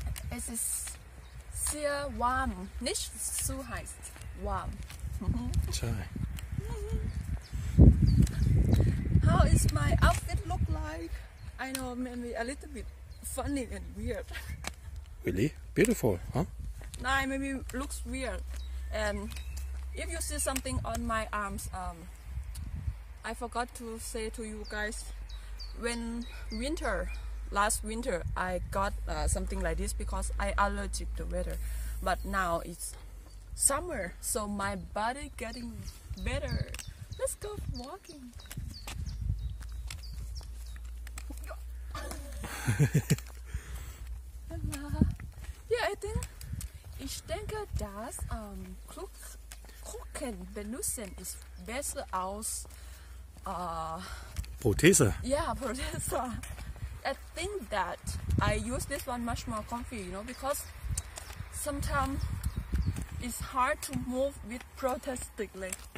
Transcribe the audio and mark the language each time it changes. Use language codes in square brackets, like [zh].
[de] Es ist sehr warm, nicht so heiß, warm. Tja. [en] How is my outfit look like? I know, maybe a little bit funny and weird. Really? Beautiful, huh? Nein, maybe looks weird. And if you see something on my arms, I forgot to say to you guys, when winter, last winter, I got something like this because I allergic to weather. But now it's summer, so my body getting better. Let's go walking. [de] Yeah, ich denke, dass Krücken benutzen ist besser als Prothese. Yeah, Prothese. [en] I think that I use this one much more comfy, you know, because sometimes it's hard to move with prosthetic leg.